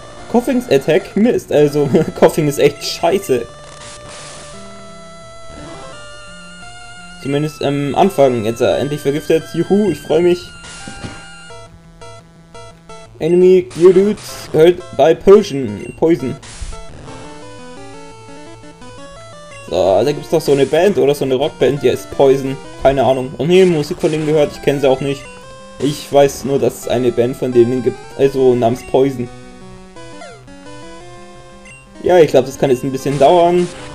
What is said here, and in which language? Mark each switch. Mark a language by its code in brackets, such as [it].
[de] Koffings Attack? Mist. Also, Koffing ist echt scheiße. Zumindest am Anfang. Jetzt er endlich vergiftet. Juhu, ich freue mich. [en] Enemy Geodude hurt by Potion. Poison. [de] So, da gibt es doch so eine Band oder so eine Rockband, die heißt Poison. Keine Ahnung. Und nee, Musik von denen gehört, ich kenne sie auch nicht. Ich weiß nur, dass es eine Band von denen gibt, also namens Poison. Ja, ich glaube, das kann jetzt ein bisschen dauern.